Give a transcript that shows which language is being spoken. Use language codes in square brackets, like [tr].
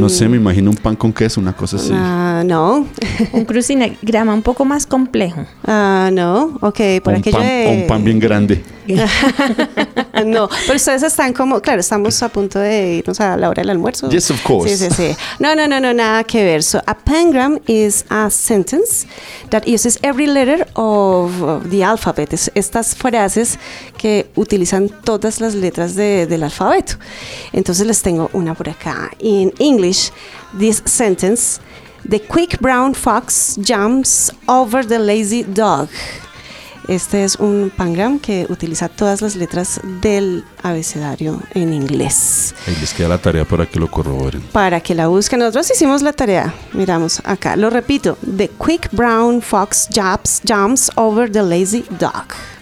[es] No sé, me imagino un pan con queso, una cosa así. No. Un crucigrama un poco más complejo. No. Okay, por aquello de... Un pan bien grande. No, pero ustedes están como, claro, estamos a punto de irnos a la hora del almuerzo. [en] Yes, of course. [es] Sí. No, nada que ver. [en] So, a pangram is a sentence that uses every letter of the alphabet. [es] Estas frases que utilizan todas las letras del alfabeto. Entonces les tengo una por acá. [en] In English, this sentence: the quick brown fox jumps over the lazy dog. [es] Este es un pangram que utiliza todas las letras del abecedario en inglés. Ahí les queda la tarea para que lo corroboren. Para que la busquen. Nosotros hicimos la tarea. Miramos acá. Lo repito. [en] The quick brown fox jumps over the lazy dog.